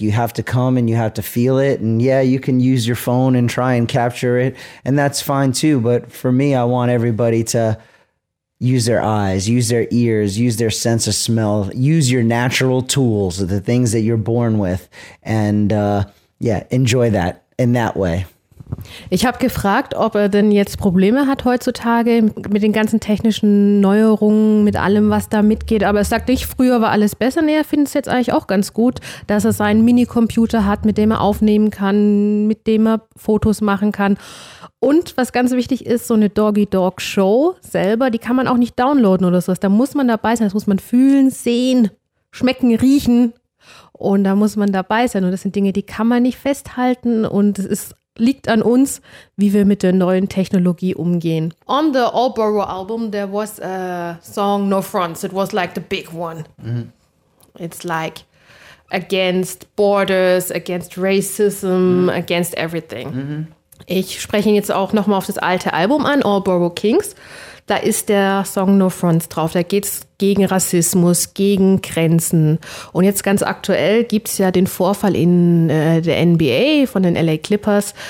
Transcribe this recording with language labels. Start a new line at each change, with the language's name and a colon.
English: You have to come and you have to feel it. And yeah, you can use your phone and try and capture it. And that's fine too. But for me, I want everybody to use their eyes, use their ears, use their sense of smell, use your natural tools, the things that you're born with, and yeah, enjoy that in that way.
German: Ich habe gefragt, ob er denn jetzt Probleme hat heutzutage mit den ganzen technischen Neuerungen, mit allem, was da mitgeht. Aber er sagt nicht, früher war alles besser. Nee, er findet es jetzt eigentlich auch ganz gut, dass er seinen Minicomputer hat, mit dem er aufnehmen kann, mit dem er Fotos machen kann. Und was ganz wichtig ist, so eine Doggy-Dog-Show selber, die kann man auch nicht downloaden oder sowas. Da muss man dabei sein, das muss man fühlen, sehen, schmecken, riechen. Und da muss man dabei sein. Und das sind Dinge, die kann man nicht festhalten und es ist liegt an uns, wie wir mit der neuen Technologie umgehen.
English: On the Allboro album, there was a song, No Fronts. It was like the big one. Mm-hmm. It's like against borders, against racism, mm-hmm. against everything. Mm-hmm.
German: Ich spreche jetzt auch nochmal auf das alte Album an, Allboro Kings. Da ist der Song No Fronts drauf. Da geht es gegen Rassismus, gegen Grenzen. Und jetzt ganz aktuell gibt es ja den Vorfall in der NBA von den LA Clippers.